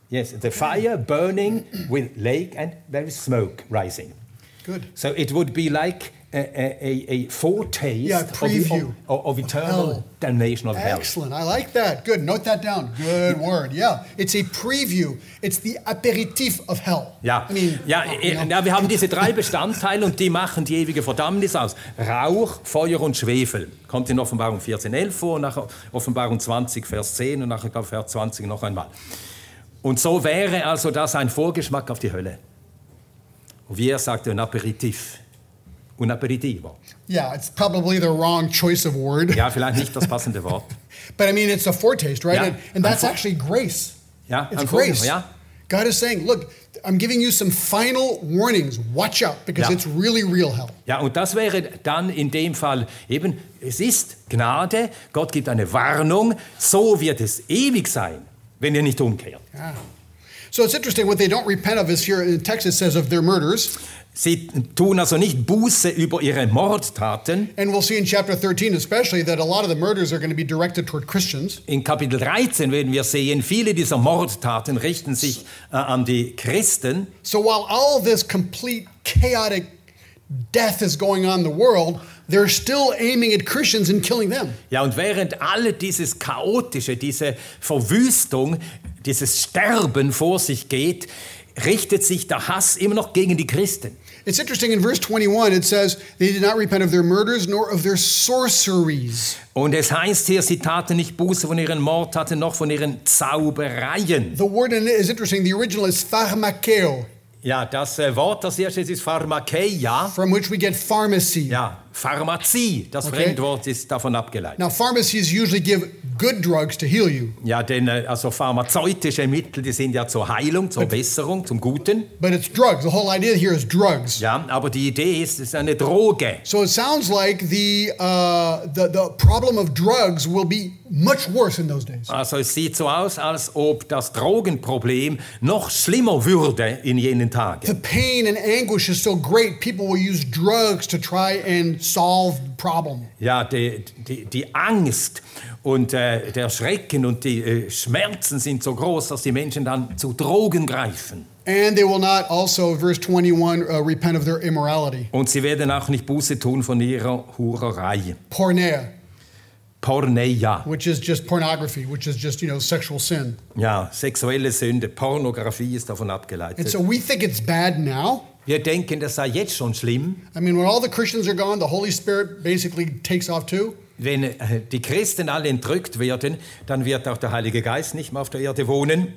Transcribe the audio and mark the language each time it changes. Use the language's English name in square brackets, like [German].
[English] Yes, the fire burning with lake and there is smoke rising. Good. So it would be like a foretaste of eternal damnation of Excellent. Hell. Excellent. I like that. Good. Note that down. Good word. Yeah. It's a preview. It's the aperitif of hell. [German] Ja. Ja, wir haben diese drei Bestandteile und die machen die ewige Verdammnis aus. Rauch, Feuer und Schwefel. Kommt in Offenbarung 14,11 vor, nach Offenbarung 20, Vers 10 und nachher Vers 20 noch einmal. Und so wäre also das ein Vorgeschmack auf die Hölle. Wie er sagte, ein Aperitif. [Spanish] Un aperitivo. [English] Yeah, it's probably the wrong choice of word. [German] Ja, vielleicht nicht das passende Wort. [English] But I mean, it's a foretaste, right? Ja, and that's actually grace. [German] Ja, [English] it's grace. [German] Ja. [English] God is saying, look, I'm giving you some final warnings. Watch out, because it's really real hell. [German] Ja, und das wäre dann in dem Fall eben, es ist Gnade. Gott gibt eine Warnung. So wird es ewig sein, wenn ihr nicht umkehrt. Ja. [English] So it's interesting, what they don't repent of is here in Texas says of their murders. [German] Sie tun also nicht Buße über ihre Mordtaten. [English] And we'll see in chapter 13 especially that a lot of the murders are going to be directed toward Christians. [German] In Kapitel 13 werden wir sehen, viele dieser Mordtaten richten sich an die Christen. [English] So while all this complete chaotic death is going on in the world, they're still aiming at Christians and killing them. [German] Ja, und während alle dieses chaotische, diese Verwüstung, dieses Sterben vor sich geht, richtet sich der Hass immer noch gegen die Christen. [English] It's interesting, in verse 21 it says they did not repent of their murders nor of their sorceries. [German] Und es heißt hier, sie taten nicht Buße von ihren Mordtaten noch von ihren Zaubereien. [English] The word in it is interesting, the original is pharmakeo. [German] Ja, das Wort, das hier steht, ist pharmakeia. [English] From which we get pharmacy. [German] Ja, Pharmazie, das Fremdwort ist davon abgeleitet. [English] Now pharmacies usually give good drugs to heal you. [German] Ja, denn also pharmazeutische Mittel, die sind ja zur Heilung, zur Besserung, zum Guten. [English] But it's drugs. The whole idea here is drugs. [German] Ja, aber die Idee ist, es ist eine Droge. [English] So it sounds like the problem of drugs will be much worse in those days. [German] Also es sieht so aus, als ob das Drogenproblem noch schlimmer würde in jenen Tagen. [English] The pain and anguish is so great, people will use drugs to try and solve the problem. [German] Ja, die Angst und der Schrecken und die Schmerzen sind so groß, dass die Menschen dann zu Drogen greifen. [English] And they will not also, verse 21, repent of their immorality. [German] Und sie werden auch nicht Buße tun von ihrer Hurerei. [Greek] Porneia. Porneia. [English] Which is just pornography, which is just, you know, sexual sin. [German] Ja, sexuelle Sünde. Pornografie ist davon abgeleitet. [English] And so we think it's bad now. [German] Wir denken, das sei jetzt schon schlimm. [English] I mean, when all the Christians are gone, the Holy Spirit basically takes off too. [German] Wenn die Christen alle entrückt werden, dann wird auch der Heilige Geist nicht mehr auf der Erde wohnen.